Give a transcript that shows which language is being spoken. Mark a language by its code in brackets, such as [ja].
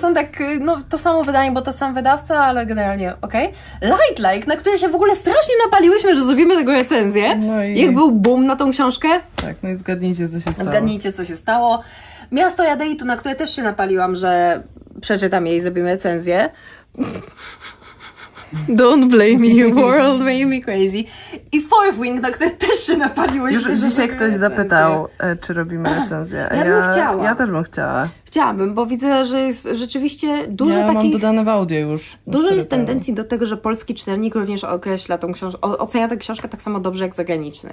[pl] To są tak, no to samo wydanie, bo to sam wydawca, ale generalnie okej. Okay. Light Like, na które się w ogóle strasznie napaliłyśmy, że zrobimy tego recenzję. No i jak był boom na tą książkę. Tak, no i zgadnijcie, co się stało. Miasto Jadeitu, na które też się napaliłam, że przeczytam jej i zrobimy recenzję. [en] Don't blame me, world made me crazy. [pl] I Fourth Wing, na które też się napaliłeś. Już dzisiaj ktoś zapytał, czy robimy recenzję. Ja bym chciała. Ja też bym chciała. Chciałabym, bo widzę, że jest rzeczywiście dużo takich... Ja mam dodane w audio już. Dużo jest tendencji do tego, że polski czytelnik również określa tą książkę, ocenia tę książkę tak samo dobrze jak zagraniczny.